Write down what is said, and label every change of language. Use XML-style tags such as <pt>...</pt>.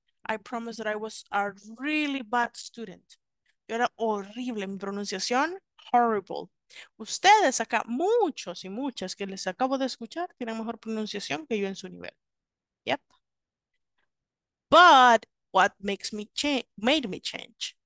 <en>I promise that I was a really bad student.</en> <es>Yo era horrible. Mi pronunciación, horrible. Ustedes acá, muchos y muchas que les acabo de escuchar, tienen mejor pronunciación que yo en su nivel.</es> <en>Yep. But what makes me change, made me change?</en>